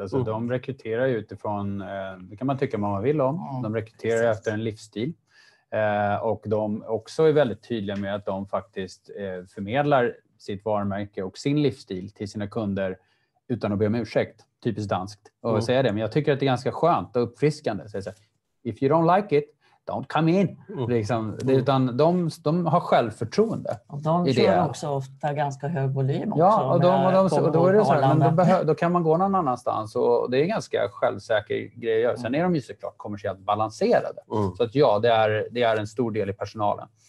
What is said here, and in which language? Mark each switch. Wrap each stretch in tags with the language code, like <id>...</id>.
<sv>Alltså, de rekryterar ju utifrån, det kan man tycka vad man vill om, de rekryterar efter en livsstil. Och de också är väldigt tydliga med att de faktiskt förmedlar sitt varumärke och sin livsstil till sina kunder utan att be om ursäkt, typiskt danskt, och säga det. Men jag tycker att det är ganska skönt och uppfriskande. Så säga,</sv> <en>if you don't like it, don't come in.</en> <sv>Liksom, utan de har självförtroende. Och de kör också ofta ganska hög volym. Ja, och då är det så här, då kan man gå någon annanstans. Och det är ganska självsäker grej att göra. Sen är de ju såklart kommersiellt balanserade. Så att ja, det är en stor del i personalen.</sv>